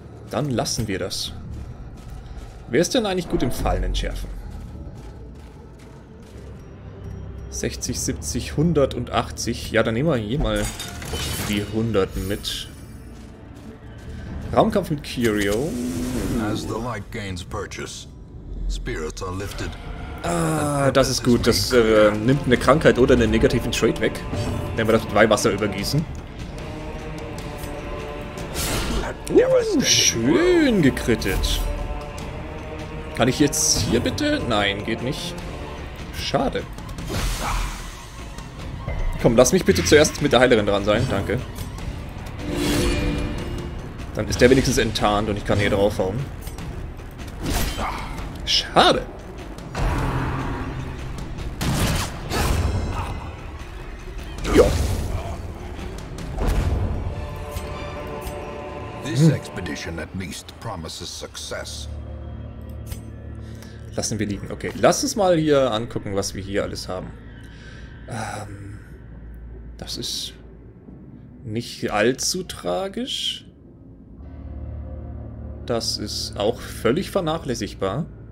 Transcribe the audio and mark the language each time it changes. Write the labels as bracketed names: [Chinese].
[German] Dann lassen wir das. Wer ist denn eigentlich gut im Fallen entschärfen? 60, 70, 100 und 80. Ja, dann nehmen wir hier mal die 100 mit. Raumkampf mit Curio. [English] As the light gains purchase, spirits are lifted. [German] Ah, das ist gut. Das nimmt eine Krankheit oder einen negativen Trade weg. Wenn wir das mit Weihwasser übergießen. Schön gekrittet. Kann ich jetzt hier bitte? Nein, geht nicht. Schade. Komm, lass mich bitte zuerst mit der Heilerin dran sein. Danke. Dann ist der wenigstens enttarnt und ich kann hier draufhauen. Schade. Ja. [English] This expedition at least promises success. [German] Lassen wir liegen. Okay, lass uns mal hier angucken, was wir hier alles haben. Das ist nicht allzu tragisch. Das ist auch völlig vernachlässigbar.